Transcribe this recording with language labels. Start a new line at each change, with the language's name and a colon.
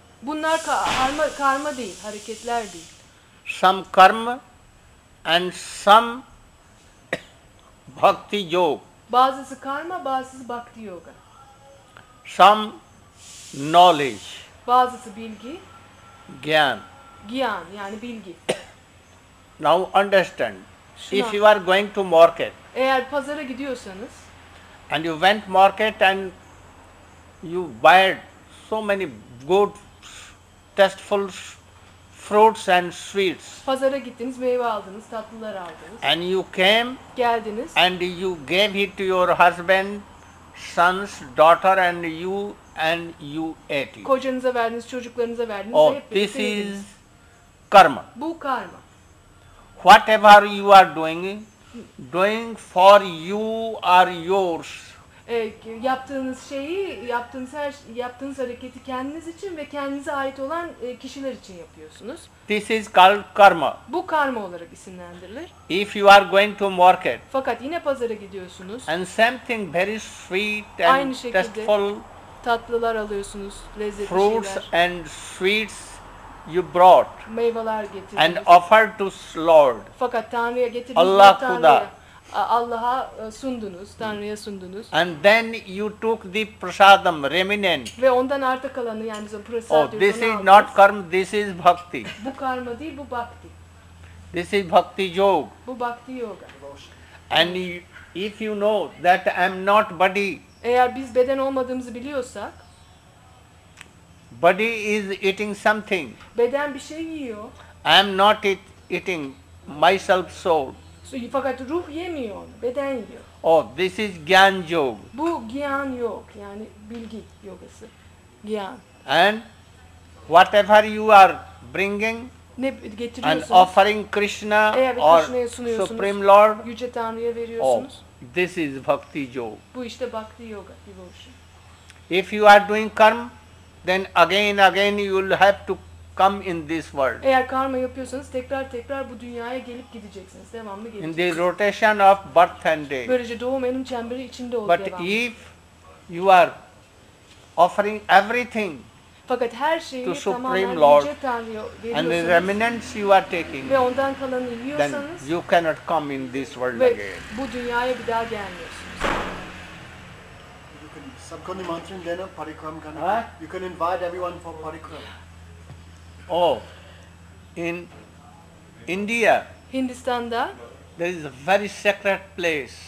Turkish: Bunlar karma değil, hareketler değil.
English: Some karma and some bhakti yoga.
Turkish: Bazısı karma, bazısı bhakti yoga.
English: Some knowledge.
Turkish: Bazısı bilgi.
Hindi: Gyan.
Turkish: Gyan yani bilgi.
English: Now understand.
Turkish: Şuna.
English: If you are going to market.
Turkish: Eğer pazara gidiyorsanız.
English: And you went market and you buy so many good, tasteful fruits and sweets.
Turkish: Pazara gittiniz, meyve aldınız, tatlılar aldınız.
English: And you came.
Turkish: Geldiniz.
English: And you gave it to your husband. Sons, daughter and you ate it.
Turkish: Kocanıza verdiniz, çocuklarınıza verdiniz.
English: Oh, this is karma.
Turkish: Bu karma.
English: Whatever you are doing, for you or yours.
Turkish: Yaptığınız şeyi, yaptığınız hareketi kendiniz için ve kendinize ait olan kişiler için yapıyorsunuz.
English: This is called karma.
Turkish: Bu karma olarak isimlendirilir.
English: If you are going to market.
Turkish: Fakat yine pazara gidiyorsunuz.
English: And something very sweet and tasteful.
Turkish: Tatlılar alıyorsunuz, lezzetli şeyler.
English: Fruits and sweets you brought.
Turkish: Meyveler getirdiniz.
English: And offered to Lord.
Turkish: Fakat Tanrı'ya getirdiniz.
Hindi: Allah Kuda.
Turkish: Allah'a sundunuz, Tanrı'ya sundunuz.
English: And then you took the prasadam remnant.
Turkish: Ve ondan arta kalanı yani prasad diyor.
English: Oh, this is not karma, this is bhakti.
Turkish: Bu karma değil, bu bhakti.
English: This is bhakti yoga.
Turkish: Bu bhakti yoga.
English: And if you know that I am not body.
Turkish: Eğer biz beden olmadığımızı biliyorsak.
English: Body is eating something.
Turkish: Beden bir şey yiyor.
English: I am not eating myself soul.
Turkish: Fakat ruh yemiyor onu, beden yiyor.
English: Oh, this is Gyan Yoga.
Turkish: Bu Gyan Yoga, yani bilgi yogası.
Hindi: Gyan.
English: And whatever you are bringing
Turkish: ne
English: and offering Krishna or Supreme Lord,
Turkish: Yüce Tanrı'ya veriyorsunuz.
English: Oh, this is Bhakti Yoga.
Turkish: Bu işte Bhakti Yoga, devotion.
English: If you are doing karma, then again you will have to come in this world.
Turkish: Eğer karma yapıyorsanız tekrar bu dünyaya gelip gideceksiniz. Devamlı geleceksiniz.
English: In the rotation of birth and death.
Turkish: Böylece doğum ölüm çemberi içinde olacak.
English: But
Turkish: devamlı.
English: If you are offering everything
Turkish: fakat her şeyi
English: to Supreme Lord and the remnants you are taking
Turkish: ve ondan kalanı yiyorsanız
English: then you cannot come in this world
Turkish: ve
English: again.
Turkish: Bu dünyaya bir daha gelmiyorsunuz.
English: You can
Hindi: Sabko nimantran dena parikram karna. Huh?
English: You can invite everyone for parikram. Oh, in India.
Turkish: Hindistan'da.
English: There is a very secret place.